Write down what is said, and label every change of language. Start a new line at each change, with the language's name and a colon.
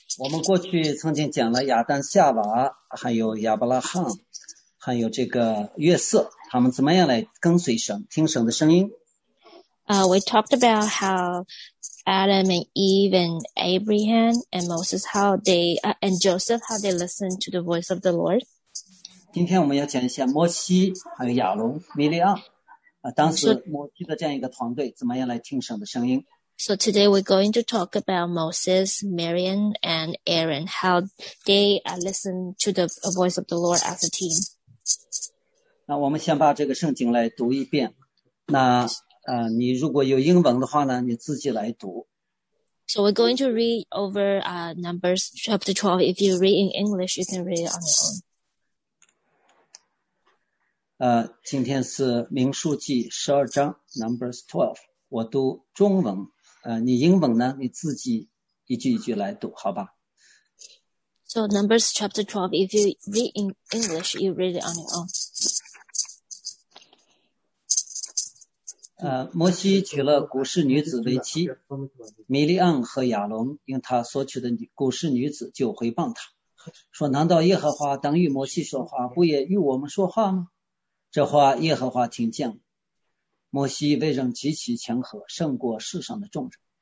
Chinese: 我们过去曾经讲了亚当夏娃还有亚伯拉罕还有这个约瑟他们怎么样来跟随神听神的声音。
English: We talked about how Adam and Eve and Abraham and Moses, and Joseph, how they listened to the voice of the Lord.
Chinese: 今天我们要讲一下摩西还有亚伦米利亚当时摩西的这样一个团队怎么样来听神的声音。
English: So today we're going to talk about Moses, Miriam, and Aaron, how they listen to the voice of the Lord as a team.
Chinese: 那我们先把这个圣经来读一遍。那你如果有英文的话呢，你自己来读。
English: So we're going to read over Numbers chapter 12. If you read in English, you can read it on your own.
Chinese: 今天是民数记十二章 Numbers 12. 我读中文。你英文呢？你自己一句一句来读，好吧
English: ？So Numbers chapter 12. If you read in English, you read it on your own.
Chinese: 摩西娶了古示女子为妻，米利暗和亚伦因他所娶的古示女子就回谤他，说：“难道耶和华当与摩西说话，不也与我们说话吗？” 这话耶和华听见了。摩西为人极其谦和，胜过世上的众人。